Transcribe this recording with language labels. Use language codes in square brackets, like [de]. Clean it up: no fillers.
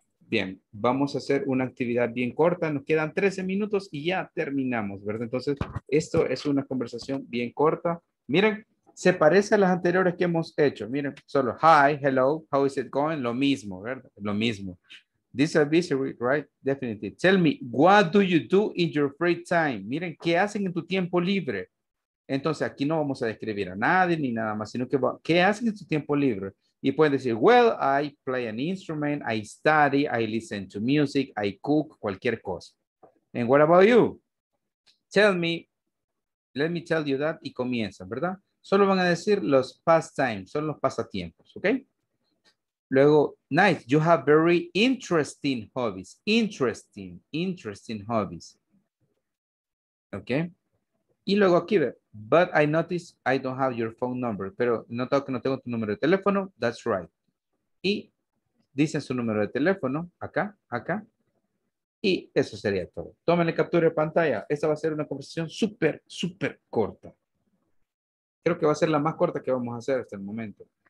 [es] Bien, vamos a hacer una actividad bien corta. Nos quedan 13 minutos y ya terminamos, ¿verdad? Entonces, esto es una conversación bien corta. Miren. Se parece a las anteriores que hemos hecho. [en] Miren, solo, hi, hello, how is it going? [es] Lo mismo, ¿verdad? Lo mismo. [en] This is a busy week, right? Definitely. Tell me, what do you do in your free time? [es] Miren, ¿qué hacen en tu tiempo libre? Entonces, aquí no vamos a describir a nadie ni nada más, sino que, ¿qué hacen en tu tiempo libre? Y pueden decir, [en] well, I play an instrument, I study, I listen to music, I cook, [es] cualquier cosa. [en] And what about you? Tell me, let me tell you that, [es] y comienza, ¿verdad? Solo van a decir los pastimes, son los pasatiempos, ¿ok? [en] Luego, nice, you have very interesting hobbies. Interesting, interesting hobbies. ¿Ok? [es] Y luego aquí, [en] but I notice I don't have your phone number. [es] Pero noto que no tengo tu número de teléfono, [en] that's right. [es] Y dicen su número de teléfono, acá, acá. Y eso sería todo. Tómenle captura de pantalla. Esta va a ser una conversación súper, súper corta. Creo que va a ser la más corta que vamos a hacer hasta el momento.